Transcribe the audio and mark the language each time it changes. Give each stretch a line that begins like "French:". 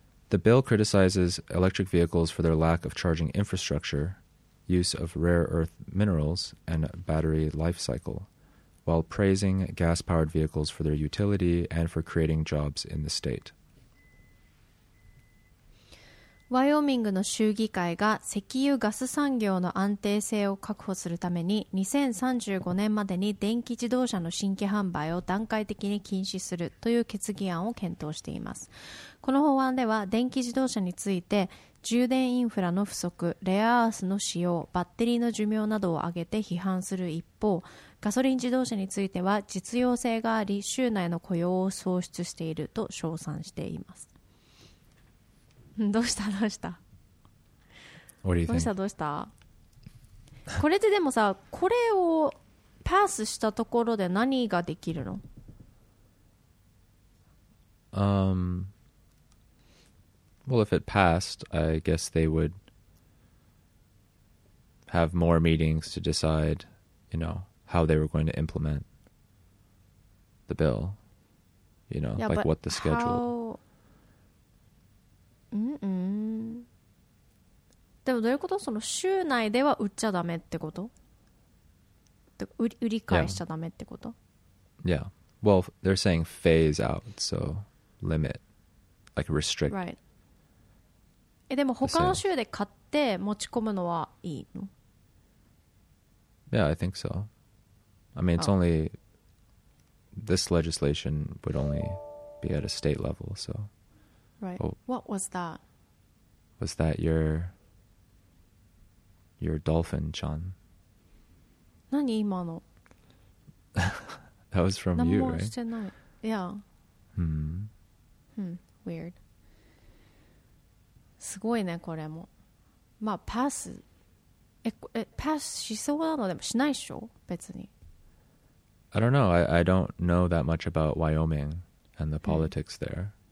English: The bill criticizes electric vehicles for their lack of charging infrastructure, use of rare earth minerals, and battery life cycle, while praising gas-powered vehicles for their utility and for creating jobs in the state.
Japanese: ワイオミングの州議会が石油ガス産業の安定性を確保するために2035年までに電気自動車の新規販売を段階的に禁止するという決議案を検討しています。この法案では電気自動車について充電インフラの不足、レアアースの使用、バッテリーの寿命などを挙げて批判する一方、ガソリン自動車については実用性があり州内の雇用を創出していると称賛しています。どうしたどうした、
English: What do you think?
Japanese: どうしたどうした、これってでもさ、これをパスしたところで何ができるの、
English: Well, if it passed, I guess they would have more meetings to decide, you know, how they were going to implement the bill, you know, yeah, like what the schedule.
Japanese: でもどういうこと、その州内では売っちゃダメってこと、売り返しちゃダメってこと、
English: Yeah. Well, they're saying phase out, so limit, like restrict. Right.
Japanese: でも他の州で買って持ち込むのはいいの？
English: Yeah, I think so. I mean, it's only this legislation would only be at a state level, so. Right. Oh, what was that? Was that your dolphin, John?
Japanese: 何今の？
English: That was from you, right?
Japanese: 何もしてない。Yeah. Hmm.
English: Weird.
Japanese: すごいねこれも。まあパス、パスしそうなのでもしないでしょ別に。
English: I don't know. I don't know that much about Wyoming and the politics there.